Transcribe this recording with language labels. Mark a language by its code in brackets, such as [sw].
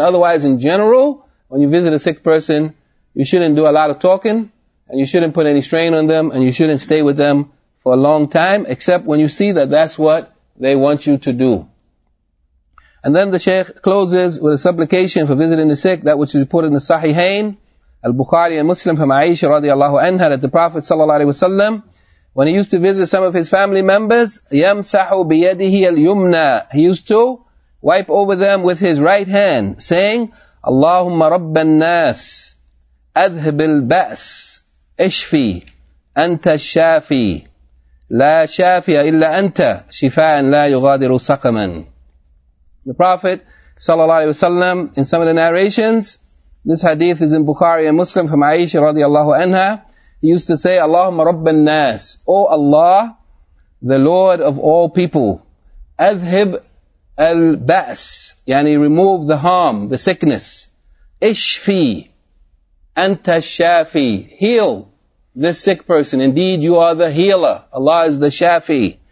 [en] Otherwise, in general, when you visit a sick person, you shouldn't do a lot of talking, and you shouldn't put any strain on them, and you shouldn't stay with them for a long time, except when you see that that's what they want you to do. And then the Shaykh closes with a supplication for visiting the sick, that which is reported in the Sahihain, Al-Bukhari and Muslim, from Aisha radiallahu anha, that the Prophet sallallahu alaihi wasallam When he used to visit some of his family members, [ar] يَمْسَحُ بِيَدِهِ الْيُمْنَى. [en] He used to wipe over them with his right hand, saying, [ar] اللَّهُمَّ رَبَّ النَّاسِ أَذْهِبِ الْبَأْسِ اشْفِي أَنْتَ الشَّافِي لَا شَافِيَ إِلَّا أَنْتَ شِفَاءً لَا يُغَادِرُ سَقَمًا. [en] The Prophet sallallahu alayhi wa sallam, in some of the narrations, this hadith is in Bukhari and Muslim from Aisha radiallahu anha, he used to say, [ar] اللهم رب الناس, [en] O Allah, the Lord of all people, [ar] أذهب البأس, يعني [en] remove the harm, the sickness, [ar] اشفي, أنت الشافي, [en] heal this sick person, indeed you are the healer, Allah is the Shafi.